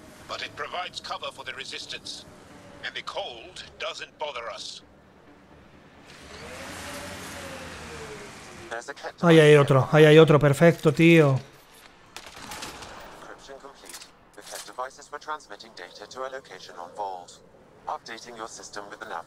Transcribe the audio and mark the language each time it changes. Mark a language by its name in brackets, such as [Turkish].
[English] But it provides cover for the resistance, and the cold doesn't bother us. [Spanish] Ahí hay otro, ahí hay otro, perfecto, tío. [English] Encryption complete. The Ket devices were transmitting data to a location on Vault. Updating your system with an app.